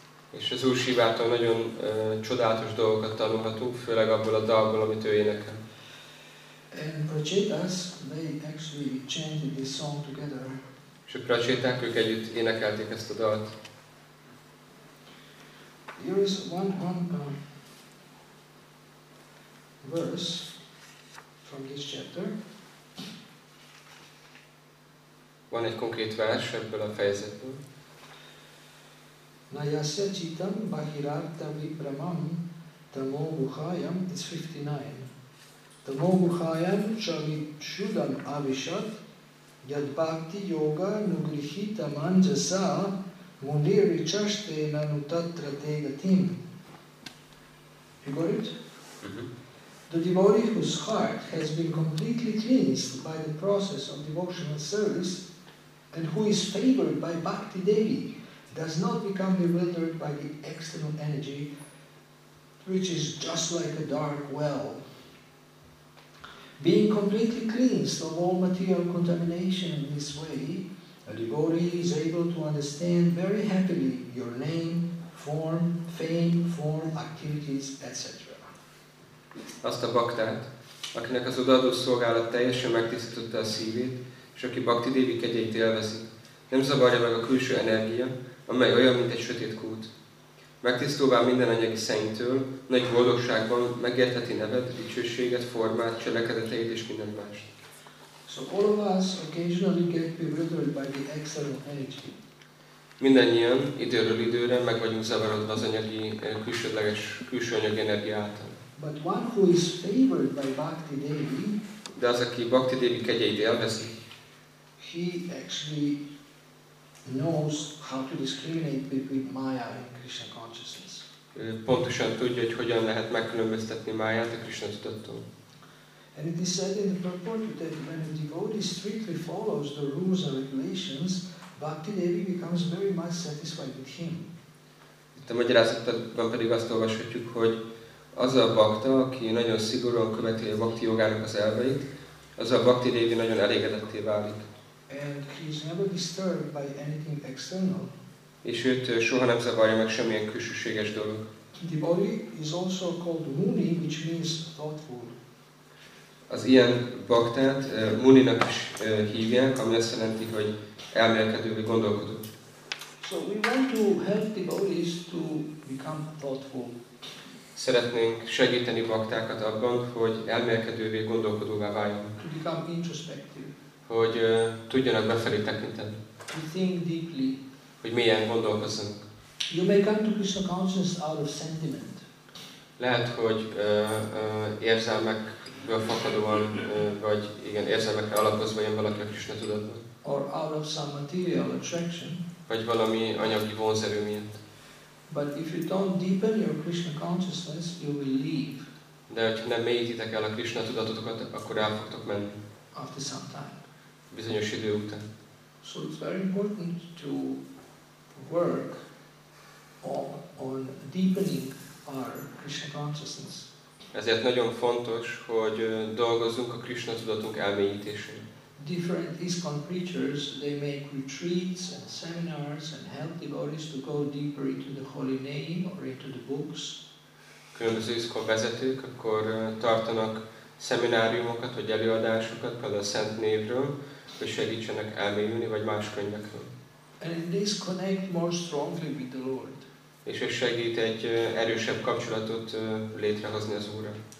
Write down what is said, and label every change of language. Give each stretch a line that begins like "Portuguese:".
Hungarian: És az Úr Sivától nagyon csodálatos dolgokat tanulhatunk, főleg abból a dalból, amit ő énekel.
English: And Prachetas, they actually chanted this song together.
Hungarian: És a Prachetak, ők együtt énekelték ezt a dalt.
English: Here is one verse from this chapter.
Hungarian: Van egy konkrét vers ebből a fejezetből.
Sanskrit: Nayasya citam bahirartha vipramam tamo guhayam,
English: it's 59.
Sanskrit: Tamo guhayam chavichudam avishat yad bhakti yoga nugrihita manjasa muniri chashte nanutatra te gatim.
English: You got it? The devotee whose heart has been completely cleansed by the process of devotional service and who is favored by Bhakti Devi does not become bewildered by the external energy, which is just like a dark well. Being completely cleansed of all material contamination in this way, a devotee is able to understand very happily your name, form, fame, form, activities, etc.
Hungarian: Azt a baktát, akinek az odaadó szolgálat teljesen megtisztította a szívét, és aki Bhakti Devi kegyeit élvezi, nem zavarja meg a külső energia, amely olyan, mint egy sötét kút. Megtisztulva minden anyagi szennytől, nagy boldogságban megértheti neved, dicsőséget, formát, cselekedeteid és minden mást.
English: So all of us occasionally get bewildered by the external energy.
Hungarian: Mindannyian időről időre meg vagyunk zavarodva az anyagi, külsődleges, külső anyagi energia által.
English: But one who is favored by Bhakti Devi,
Hungarian: de az, aki Bhakti Devi kegyeit élvezi,
English: he actually knows how to discriminate between Maya and Krishna consciousness.
Hungarian: Pontosan tudja, hogy hogyan lehet megkülönböztetni Mayát a Krishna tudattól.
English: And it is said in the purport that when a devotee strictly follows the rules and regulations, Bhakti Devi becomes very much satisfied with him.
Hungarian: Itt a magyarázatban pedig azt olvashatjuk, hogy az a bhakta, aki nagyon szigorúan követi a bhakti jogának az elveit, az a Bhakti Devi nagyon elégedetté válik.
English: And he is never disturbed by anything external.
Hungarian: És őt soha nem zavarja meg semmilyen külsőséges dolog.
English: The body is also called Muni, which means thoughtful.
Hungarian: Az ilyen baktát Muninak is hívják, ami azt jelenti, hogy elmélkedő, vagy gondolkodó.
English: So we want to help the bodies to become thoughtful.
Hungarian: Szeretnénk segíteni baktákat abban, hogy elmélkedővé, gondolkodóvá váljon.
English: To become introspective.
Hungarian: Hogy tudjanak befelé tekinteni.
English: To think deeply.
Hungarian: Hogy mélyen gondolkozzunk.
English: You may come to Krishna consciousness out of sentiment.
Hungarian: Lehet, hogy érzelmekből fakadóan, vagy igen, érzelmekre alapozva jön valaki a Krishna tudatban.
English: Or out of some material attraction.
Hungarian: Vagy valami anyagi vonzerő miatt.
English: But if you don't deepen your Krishna consciousness, you will leave.
Hungarian: De hogyha nem mélyítitek el a Krishna tudatotokat, akkor el fogtok menni.
English: After some time.
Hungarian: Bizonyos idő után.
English: So it's very important to work on deepening our Krishna consciousness.
Hungarian: Ezért nagyon fontos, hogy dolgozzunk a Krishna tudatunk elmélyítésén.
English: Different ISKCON preachers, they make retreats and seminars and help devotees to go deeper into the holy name or into the books.
Hungarian: Különböző ISKCON vezetők akkor tartanak szemináriumokat vagy előadásokat például a Szent Névről, hogy segítsenek elmélyülni, vagy más könyvekről.
English: And this connect more strongly with the Lord.
Hungarian: És ez segít egy erősebb kapcsolatot létrehozni az Úrral.